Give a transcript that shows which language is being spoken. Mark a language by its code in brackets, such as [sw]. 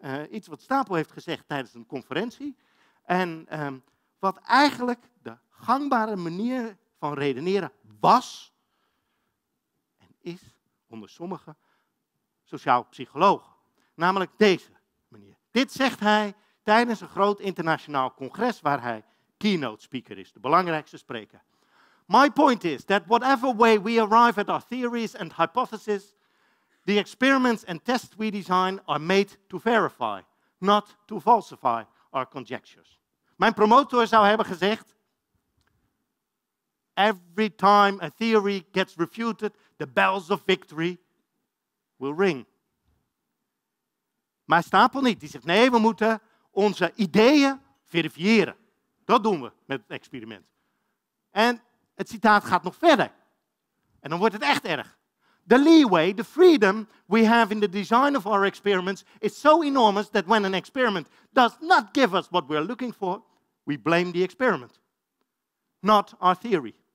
[nl] iets wat Stapel heeft gezegd tijdens een conferentie. En wat eigenlijk de gangbare manier van redeneren was en is onder sommige sociaal-psychologen. Namelijk deze manier. Dit zegt hij tijdens een groot internationaal congres waar hij keynote speaker is, de belangrijkste spreker. [en] My point is that whatever way we arrive at our theories and hypotheses, the experiments and tests we design are made to verify, not to falsify our conjectures. [nl] Mijn promotor zou hebben gezegd, [en] every time a theory gets refuted, the bells of victory will ring. [nl] Maar Stapel niet. Die zegt, nee, we moeten onze ideeën verifiëren. Dat doen we met het experiment. En het citaat gaat nog verder. En dan wordt het echt erg. [en] The leeway, the freedom we have in the design of our experiments is so enormous that when an experiment does not give us what we're looking for, we blame the experiment, not our theory.